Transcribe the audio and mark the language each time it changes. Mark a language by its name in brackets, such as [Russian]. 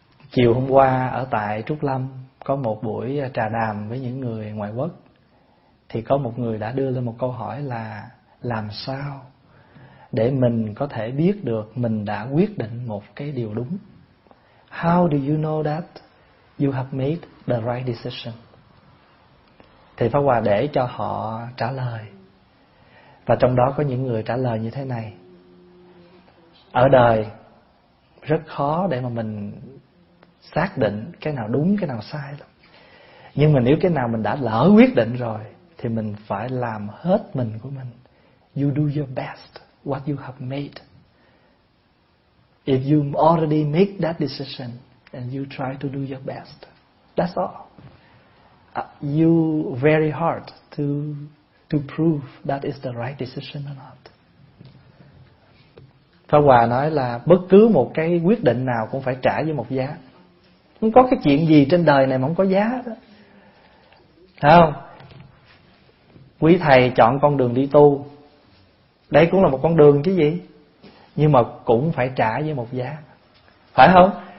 [Vietnamese] Chiều hôm qua ở tại Trúc Lâm có một buổi trà đàm với những người ngoại quốc, thì có một người đã đưa lên một câu hỏi là làm sao để mình có thể biết được mình đã quyết định một cái điều đúng. [English] How do you know that you have made the right decision? [Vietnamese] Thì Pháp Hòa để cho họ trả lời. Và trong đó có những người trả lời như thế này: ở đời rất khó để mà mình xác định cái nào đúng, cái nào sai lắm. Nhưng mà nếu cái nào mình đã lỡ quyết định rồi thì mình phải làm hết mình của mình. [English] You do your best what you have made. If you already make that decision and you try to do your best, that's all. You very hard to prove that is the right decision or not. [Vietnamese] Pháp Hòa nói là bất cứ một cái quyết định nào cũng phải trả với một giá. Không có cái chuyện gì trên đời này mà không có giá đó. Thấy không? Quý thầy chọn con đường đi tu, đây cũng là một con đường chứ gì, nhưng mà cũng phải trả với một giá. Phải không?